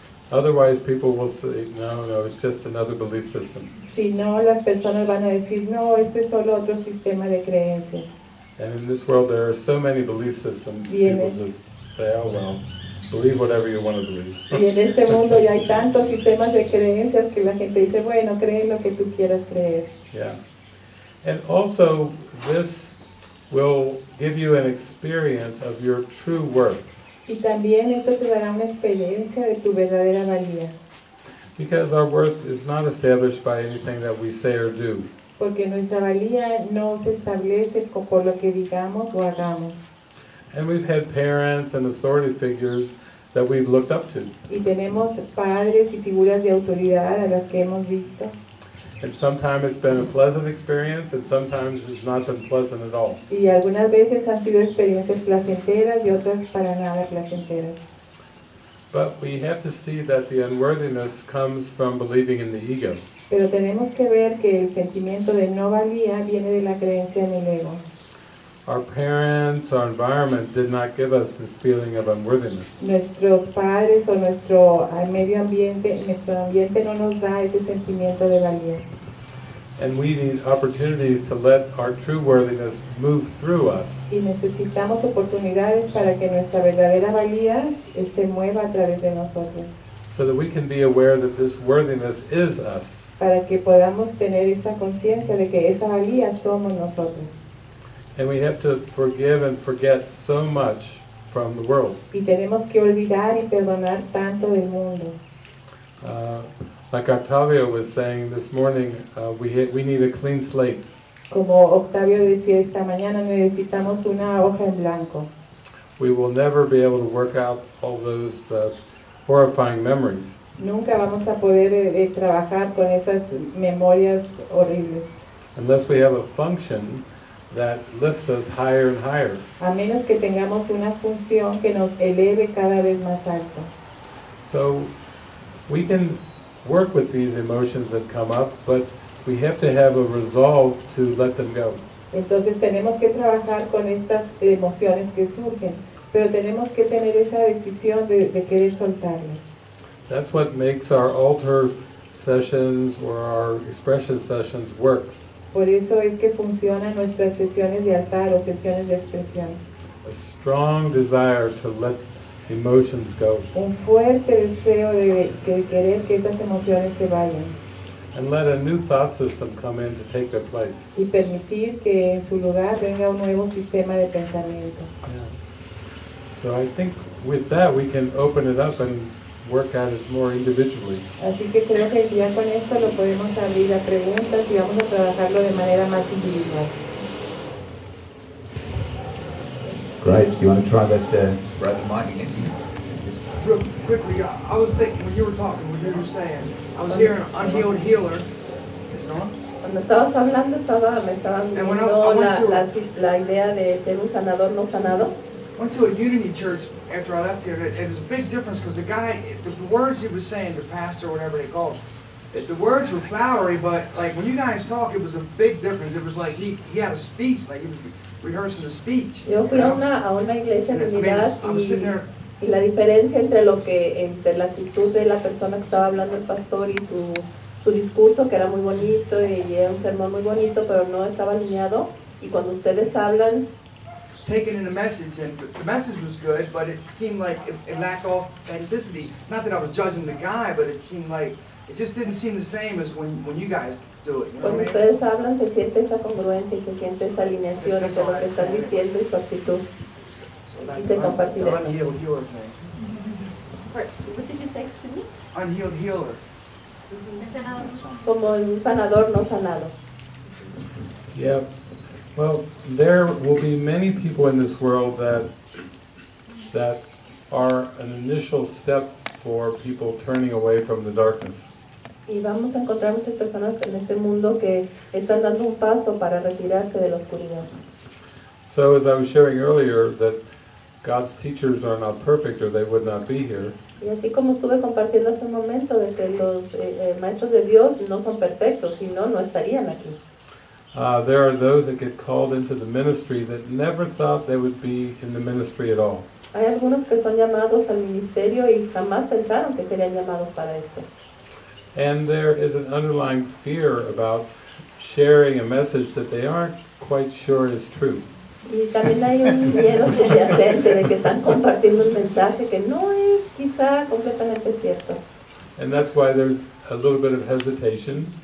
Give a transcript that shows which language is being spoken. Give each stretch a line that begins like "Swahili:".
English: Otherwise, people will say, no, it's just another belief system.
Spanish: Si no, las personas van a decir, no, esto es solo otro sistema de creencias.
English: And in this world, there are so many belief systems, people just say, oh, well, believe whatever you want to believe.
Spanish: Y en este mundo ya hay tantos sistemas de creencias que la gente dice, bueno, cree lo que tú quieras creer. Yeah.
English: And also, this will give you an experience of your true worth.
Spanish: Y también esto te dará una experiencia de tu verdadera valía.
English: Because our worth is not established by anything that we say or do.
Spanish: Porque nuestra valía no se establece por lo que digamos o hagamos.
English: And we've had parents and authority figures that we've looked up to.
Spanish: Y tenemos padres y figuras de autoridad a las que hemos visto.
English: And sometimes it's been a pleasant experience, and sometimes it's not been pleasant at all.
Spanish: Y algunas veces han sido experiencias placenteras y otras para nada placenteras.
English: But we have to see that the unworthiness comes from believing in the ego.
Spanish: Pero tenemos que ver que el sentimiento de no valía viene de la creencia en el ego.
English: Our parents, our environment did not give us this feeling of unworthiness.
Spanish: Nuestros padres o nuestro medio ambiente no nos da ese sentimiento de valía.
English: And we need opportunities to let our true worthiness move through us.
Spanish: Y necesitamos oportunidades para que nuestra verdadera valía se mueva a través de nosotros.
English: So that we can be aware that this worthiness is us.
Spanish: Para que podamos tener esa conciencia de que esa valía somos nosotros.
English: And we have to forgive and forget so much from the world.
Spanish: Y tenemos que olvidar y perdonar tanto del mundo.
English: Like Octavio was saying this morning, we need a clean slate.
Spanish: Como Octavio decía esta mañana, necesitamos una hoja en blanco.
English: We will never be able to work out all those horrifying memories.
Spanish: Nunca vamos a poder trabajar con esas memorias horribles.
English: Unless we have a function that lifts us higher and higher.
Spanish: A menos que tengamos una función que nos eleve cada vez más alto.
English: So we can work with these emotions that come up, but we have to have a resolve to let them go.
Spanish: Entonces tenemos que trabajar con estas emociones que surgen, pero tenemos que tener esa decisión de querer soltarlas.
English: That's what makes our altar sessions or our expression sessions work.
Spanish: Por eso es que funcionan nuestras sesiones de altar o sesiones de expresión.
English: A strong desire to let emotions go.
Spanish: Un fuerte deseo de querer que esas emociones se vayan.
English: And let a new thought system come in to take their place.
Spanish: Y permitir que en su lugar venga un nuevo sistema de pensamiento.
English: Yeah. So I think with that we can open it up and work at it more individually.
Spanish: Así que creo que ya con esto lo podemos abrir a preguntas y vamos a trabajarlo de manera más individual.
English: Great. You want to try that grab the mic again? Just real quickly, I was thinking when you were talking, when you were saying, I was hearing unhealed healer. Is it on? And when I went to went to a Unity church after I left there, and it was a big difference because the guy, the words he was saying, the pastor or whatever they called, the words were flowery, but like when you guys talk, it was a big difference. It was like he had a speech, like he was rehearsing a speech.
Spanish: Yo fui a una iglesia de unidad y la diferencia entre la actitud de la persona que estaba hablando el pastor y su discurso, que era muy bonito y era un sermón muy bonito, pero no estaba alineado, y cuando ustedes hablan,
English: taking in a message, and the message was good, but it seemed like it lacked authenticity. Not that I was judging the guy, but it seemed like it just didn't seem the same as when you guys do it. You know
Spanish: cuando ustedes hablan, se siente esa congruencia y se siente esa alineación entre lo que están diciendo y su actitud. Y se compartió.
English: The unhealed healer thing. What did you say to me? Unhealed healer.
Spanish: Como el sanador no sanado.
English: Yep. Well, there will be many people in this world that are an initial step for people turning away from the darkness.
Spanish: Y vamos a encontrar muchas personas en este mundo que están dando un paso para retirarse de la oscuridad.
English: So as I was sharing earlier, that God's teachers are not perfect or they would not be here.
Spanish: Y así como estuve compartiendo hace un momento de que los maestros de Dios no son perfectos, si no, no estarían aquí.
English: There are those that get called into the ministry that never thought they would be in the ministry at all.
Spanish: Hay algunos que son llamados al ministerio y jamás pensaron que serían llamados para esto.
English: And there is an underlying fear about sharing a message that they aren't quite sure is true.
Spanish: Y también hay un miedo subyacente de que están compartiendo un mensaje que no es quizá completamente cierto.
English: And that's why there's a little bit of hesitation.